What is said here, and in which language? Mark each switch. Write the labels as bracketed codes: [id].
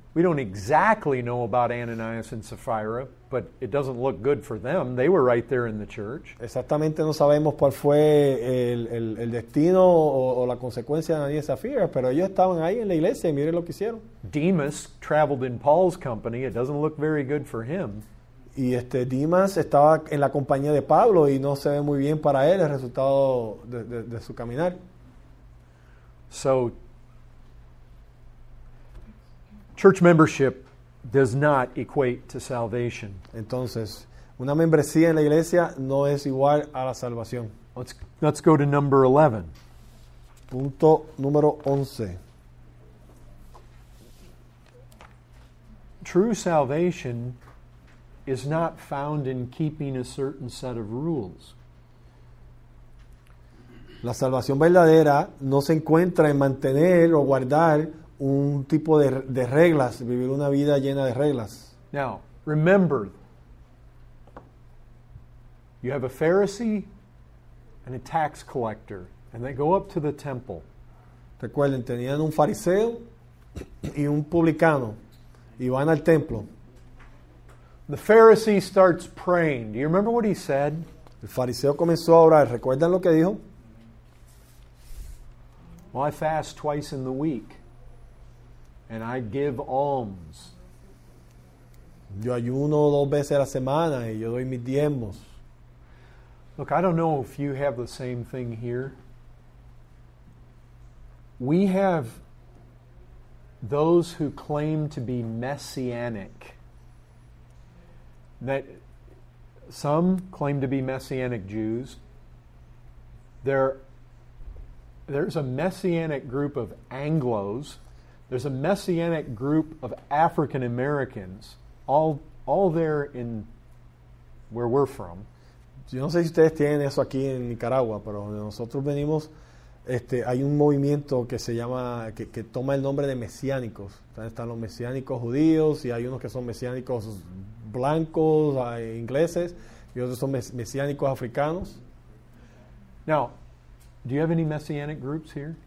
[en] We don't exactly know about Ananias and Sapphira, but it doesn't look good for them. They were right there in the church. [es] Exactamente no sabemos cuál fue el destino o la consecuencia de Ananias y Sapphira, pero ellos estaban ahí en la iglesia y miren lo que hicieron. [en] Demas traveled in Paul's company. It doesn't look very good for him. [es] Y Demas estaba en la compañía de Pablo y no se ve muy bien para él el resultado de su caminar. [en] So, church membership does not equate to salvation. [es] Entonces, una membresía en la iglesia no es igual a la salvación. [en] Let's go to number 11. [es] Punto número 11. [en] True salvation is not found in keeping a certain set of rules. [es] La salvación verdadera no se encuentra en mantener o guardar un tipo de reglas, vivir una vida llena de reglas. [en] Now, remember, you have a Pharisee and a tax collector, and they go up to the temple. [es] Recuerden, tenían un fariseo y un publicano, y van al templo. [en] The Pharisee starts praying. Do you remember what he said? [es] El fariseo comenzó a orar. ¿Recuerdan lo que dijo? [en] Well, I fast twice in the week. And I give alms. [es] Yo ayuno dos veces a la semana y yo doy mis diezmos. [en] Look, I don't know if you have the same thing here. We have those who claim to be messianic. That some claim to be messianic Jews. There's a messianic group of Anglos. There's a messianic group of African Americans, all there in where we're from. [es] Yo no sé si ustedes tienen eso aquí en Nicaragua, pero donde nosotros venimos, hay un movimiento que se llama que toma el nombre de mesiánicos. Están los mesiánicos judíos y hay unos que son mesiánicos blancos, ingleses, y otros son mesiánicos africanos. [en] Now, do you have any messianic groups here?